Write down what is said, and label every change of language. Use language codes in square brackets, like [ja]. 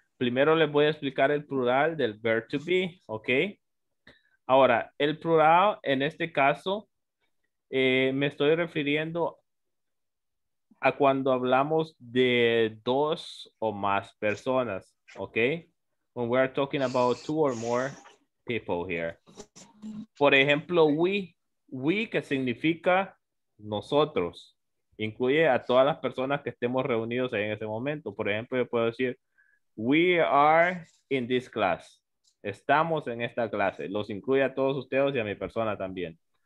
[es] Primero les voy a explicar el plural del [en] verb to be, [es] ¿ok? Ahora, el plural en este caso, me estoy refiriendo a cuando hablamos de dos o más personas, ¿ok? [en] When we are talking about two or more people here. [es] Por ejemplo, we que significa nosotros, incluye a todas las personas que estemos reunidos ahí en ese momento. Por ejemplo, yo puedo decir, [en] we are in this class. [es] Estamos en esta clase. Los incluye a todos ustedes y a mi persona también.